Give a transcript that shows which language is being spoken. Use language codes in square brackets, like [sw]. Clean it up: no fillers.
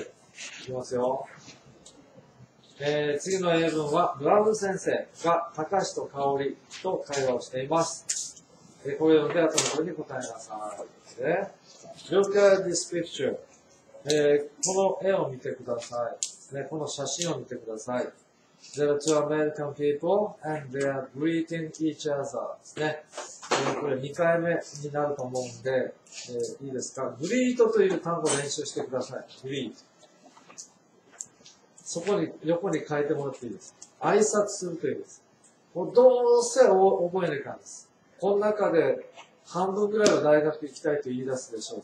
[ja] いきますよ。次の英文は、ブラウン先生が、たかしとかおりと会話をしています。これを読んで、後の方に答えなさい。 [en] で、Look at this picture. [ja] この絵を見てください。ね、この写真を見てください。 [en] There are two American people and they are greeting each other [ja] ですね。これ2回目になると思うんで、いいですか。 greet という単語を練習してください。greet。そこに、横に変えてもらっていいです。挨拶するといいです。どうせ覚えないかんです。この中で半分ぐらいは大学行きたいと言い出すでしょう。